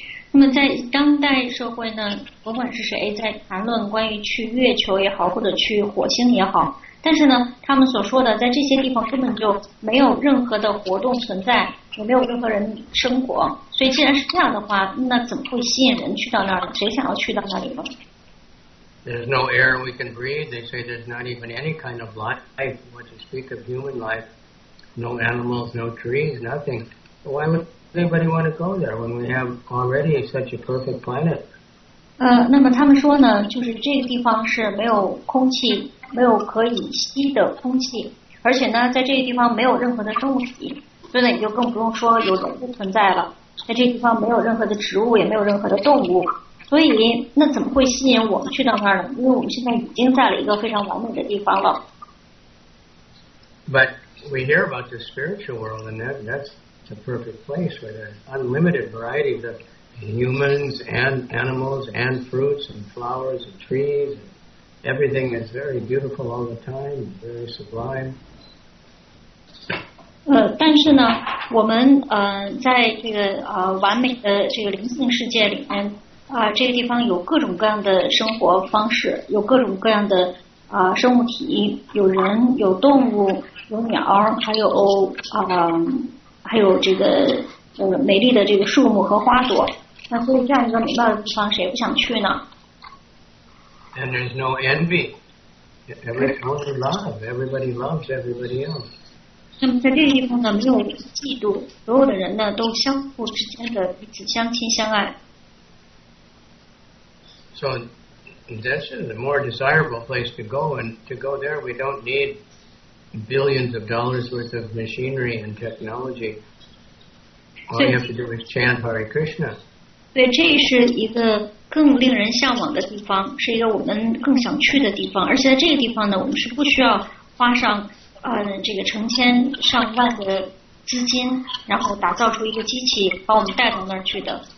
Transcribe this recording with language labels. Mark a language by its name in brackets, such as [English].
[Chinese] 那么在当代社会呢，不管是谁在谈论关于去月球也好，或者去火星也好，但是呢，他们所说的在这些地方根本就没有任何的活动存在，也没有任何人生活。所以既然是这样的话，那怎么会吸引人去到那儿？谁想要去到那里呢 [English] ？There's no air we can breathe. They say there's not even any kind of life. What you speak of human life, no animals, no trees, nothing. Why would anybody want to go there when we have already such a perfect planet? [Chinese] 那么他们说呢，就是这个地方是没有空气，没有可以吸的空气，而且呢，在这个地方没有任何的动物体，所以呢，也就更不用说有人不存在了。在这个地方没有任何的植物，也没有任何的动物，所以那怎么会吸引我们去到那儿呢？因为我们现在已经在了一个非常完美的地方了。 [English] But we hear about the spiritual world, and that's. A perfect place where there's unlimited variety of humans and animals and fruits and flowers and trees. And everything is very beautiful all the time, very sublime. [Chinese] 但是呢，我们在这个完美的这个灵性世界里面这个地方有各种各样的生活方式，有各种各样的生物体，有人，有动物，有鸟，还有还有这个美丽的这个树木和花朵，那所以这样一个美妙的地方，谁不想去呢 [English] ？And there's no envy. Everybody loves. Everybody loves everybody else. [Chinese] 那么在这个地方呢，没有嫉妒，所有的人呢都相互之间的彼此相亲相爱。 [English] So this is a more desirable place to go, and to go there, we don't need billions of dollars worth of machinery and technology. All you have to do is chant Hare Krishna. [Chinese] 对，这是一个更令人向往的地方，是一个我们更想去的地方。而且在这个地方呢，我们是不需要花上这个成千上万的资金，然后打造出一个机器把我们带到那儿去的。